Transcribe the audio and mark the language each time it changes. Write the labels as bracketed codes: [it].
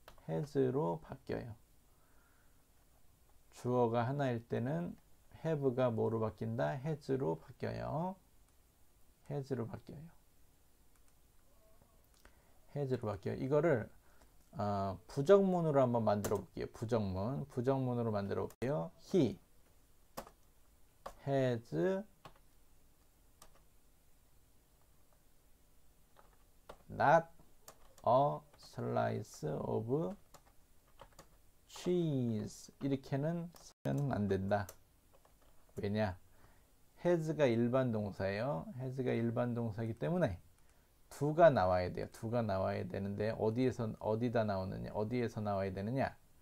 [ko] has로 바뀌어요. 주어가 하나일 때는 have가 뭐로 바뀐다? has로 바뀌어요. has로 바뀌어요. has로 바뀌어요. 이거를 부정문으로 한번 만들어 볼게요. 부정문으로 만들어 볼게요. [en] He has not a slice of cheese. [ko] 이렇게는 쓰면 안 된다. 왜냐? has가 일반 동사예요. has가 일반 동사이기 때문에 두가 나와야 돼요. 두가 나와야 되는데 어디다 나오느냐? 어디에서 나와야 되느냐?